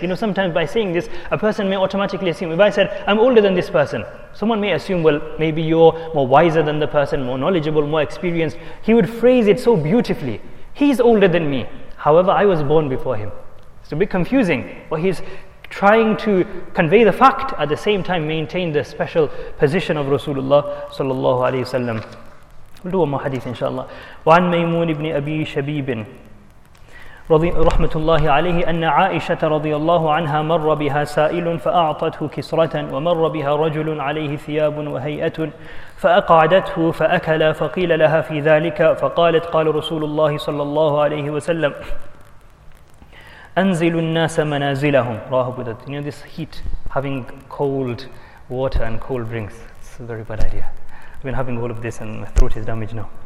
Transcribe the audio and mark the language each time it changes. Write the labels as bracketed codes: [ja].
[en] You know, sometimes by saying this, a person may automatically assume, if I said, I'm older than this person, someone may assume, well, maybe you're more wiser than the person, more knowledgeable, more experienced. He would phrase it so beautifully. He's older than me. However, I was born before him. It's a bit confusing, but he's trying to convey the fact, at the same time maintain the special position of Rasulullah sallallahu alayhi wa sallam. We'll do one more hadith inshaAllah. [ar] وَعَنْ مَيْمُونِ بْنِ أَبِي شَبِيبٍ رحمة الله عليه أن عائشة رضي الله عنها مر بها سائل فأعطته كسرة ومر بها رجل عليه ثياب وهيئة فأقعدته فأكل فقيل لها في ذلك فقالت قال رسول الله صلى الله عليه وسلم أنزل الناس منازلهم راه أبو داود. [en] You know this heat, having cold water and cold drinks, it's a very bad idea. I've been having all of this and my throat is damaged now.